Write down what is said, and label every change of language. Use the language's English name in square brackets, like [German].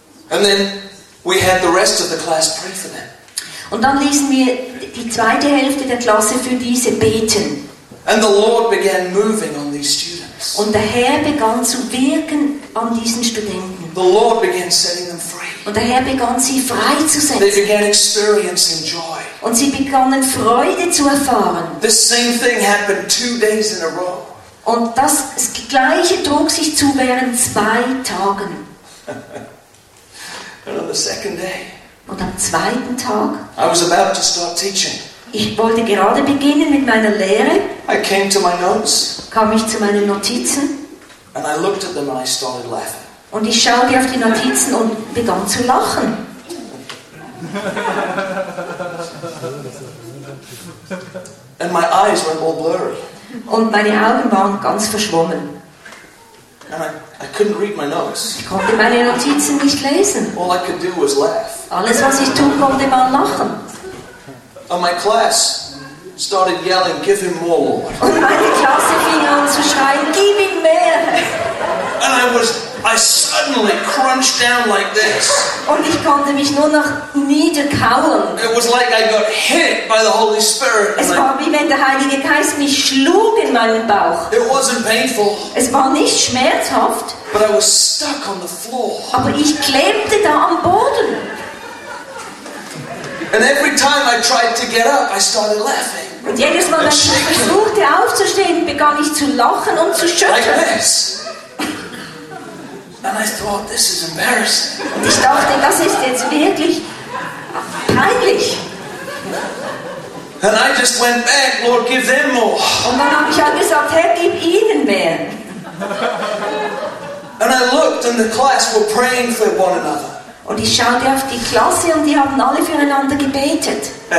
[English] And then we had the rest of the class pray for them. [German] Und dann ließen wir die zweite Hälfte der Klasse für diese beten. [English] And the Lord began moving on these students. [German] Und der Herr begann zu wirken an diesen Studenten. [English] The Lord began setting them free. [German] Und der Herr begann sie freizusetzen. [English] They began experiencing joy. [German] Und sie begannen Freude zu erfahren. [English] The same thing happened 2 days in a row. [German] Und das Gleiche trug sich zu während 2 Tagen. [English] And on the second day, [German] und am zweiten Tag, [English] I was about to start teaching. [German] Ich wollte gerade beginnen mit meiner Lehre. [English] I came to my notes, [German] kam ich zu meinen Notizen. [English] And I looked at them and I started laughing. [German] Und ich schaute auf die Notizen und begann zu lachen. [English] And my eyes went all blurry. [German] Und meine Augen waren ganz verschwommen. [English] And I couldn't read my notes. [German] Ich konnte meine Notizen nicht lesen. [English] All I could do was laugh. [German] Alles, was ich tun konnte, war lachen. [English] And my class started yelling, "Give him more, Lord." [German] Und meine Klasse fing an zu schreien, "Gib ihm mehr." [English] And I suddenly crunched down like this. [German] Und ich konnte mich nur noch niederkauern. [English] It was like I got hit by the Holy Spirit. [German] Es war wie wenn der Heilige Geist mich schlug in meinen Bauch. [English] It wasn't painful. [German] Es war nicht schmerzhaft. [English] But I was stuck on the floor. [German] Aber ich klebte da am Boden. [English] And every time I tried to get up, I started laughing. [German] Und jedes Mal, wenn ich versuchte aufzustehen, begann ich zu lachen und zu schütteln. [English] Like this. And I thought, this is embarrassing. [German] Und ich dachte, das ist jetzt wirklich peinlich. [English] And I just went back, Lord, give them more. [German] Und dann habe ich halt gesagt, Herr, gib ihnen mehr. [English] And I looked, and the class were praying for one another. [German] Und ich schaute auf die Klasse und die haben alle füreinander gebetet.